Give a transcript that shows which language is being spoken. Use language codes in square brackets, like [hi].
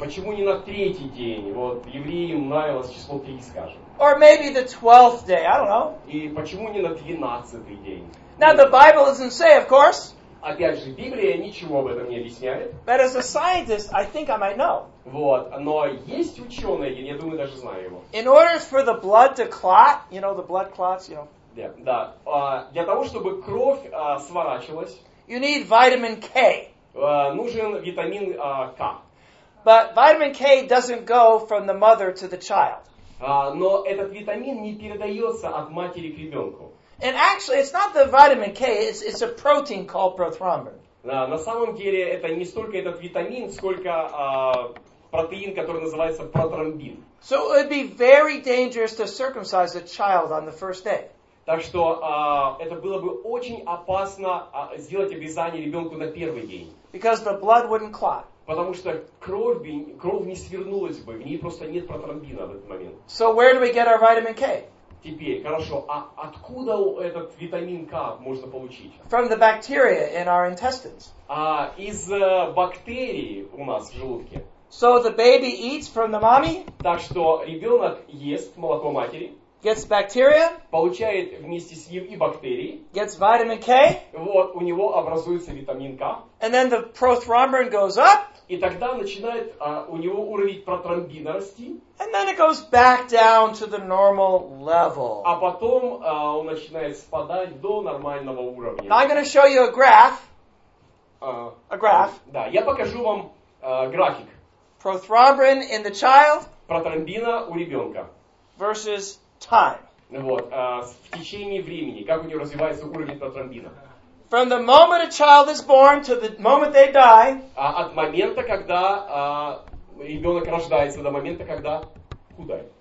[ru] Почему не на третий день? Вот, евреям нравилось число три, скажем. [en] Or maybe the 12th day, I don't know. [ru] И почему не на 12-й день? [en] Now, the Bible doesn't say, of course. [ru] Опять же, Библия ничего об этом не объясняет. [en] But as a scientist, I think I might know. [ru] Вот, но есть ученый, я думаю, даже знаю его. [en] In order for the blood to clot, you know, the blood clots, you know. [ru] Yeah, да, для того, чтобы кровь сворачивалась. [en] You need vitamin K. [ru] Нужен витамин К. [en] But vitamin K doesn't go from the mother to the child. [ru] Но этот витамин не передается от матери к ребенку. [en] And actually, it's not the vitamin K, it's a protein called prothrombin. [ru] На самом деле, это не столько этот витамин, сколько протеин, который называется протромбин. [en] So it would be very dangerous to circumcise a child on the first day. [ru] Так что это было бы очень опасно сделать обрезание ребенку на первый день. [en] Because the blood wouldn't clot. [ru] Потому что кровь не свернулась бы, в ней просто нет протромбина в этот момент. [en] So where do we get our vitamin K? [ru] Теперь, хорошо, а откуда этот витамин К можно получить? [en] From the bacteria in our intestines. [ru] Из бактерий у нас в желудке. [en] So the baby eats from the mommy. [ru] Так что ребенок ест молоко матери. [en] Gets bacteria. [ru] Получает вместе с ним и бактерии. [en] Gets vitamin K. [ru] Вот, у него образуется витамин К. [en] And then the prothrombin goes up. [ru] И тогда начинает у него уровень протромбина расти. [en] And then it goes back down to the normal level. [ru] А потом он начинает спадать до нормального уровня. [en] Now I'm going to show you a graph. A graph. [ru] Да, я покажу вам график. [en] Prothrombin in the child. [ru] Протромбина у ребенка. [en] Versus time. [ru] Вот, в течение времени, как у него развивается уровень протромбина. [en] From the moment a child is born to the moment they die. [ru] От момента, когда ребенок рождается до момента, когда куда?